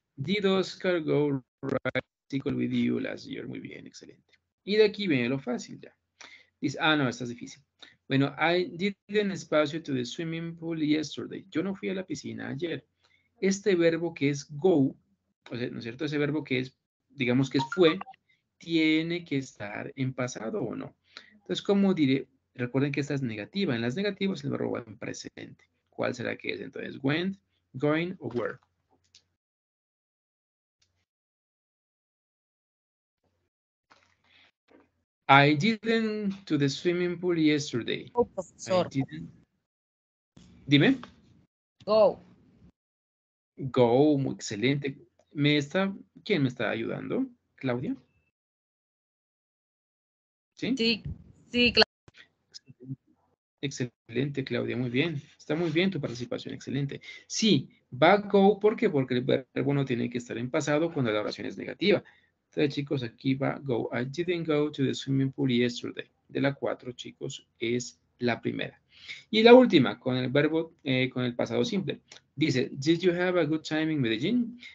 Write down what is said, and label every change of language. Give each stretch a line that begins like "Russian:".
English: Did Oscar go bicycle with you last year?
Spanish: Muy bien, excelente. Y de aquí viene lo fácil ya. Dice, ah, no, esta es difícil. Bueno,
English: I didn't espacio to the swimming pool yesterday.
Spanish: Yo no fui a la piscina ayer. Este verbo que es go, o sea, ¿no es cierto? Ese verbo que es, digamos que es fue, tiene que estar en pasado o no. Entonces, ¿cómo diré? Recuerden que esta es negativa. En las negativas, el verbo va en presente. ¿Cuál será que es? Entonces, went, going o were.
English: I didn't to the swimming pool yesterday. Oh, profesor. I didn't.
Spanish: Dime.
English: Go.
Spanish: Go, muy excelente. ¿Quién me está ayudando? ¿Claudia? Sí, claro. Excelente, Claudia, muy bien. Está muy bien tu participación, excelente. Sí, Back go, ¿por qué? Porque el verbo no tiene que estar en pasado cuando la oración es negativa. Entonces, chicos, aquí va go.
English: I didn't go to the swimming pool yesterday.
Spanish: De la 4, chicos, es la primera. Y la última, con el verbo, con el pasado simple. Dice,
English: did you have a good time in Medellín?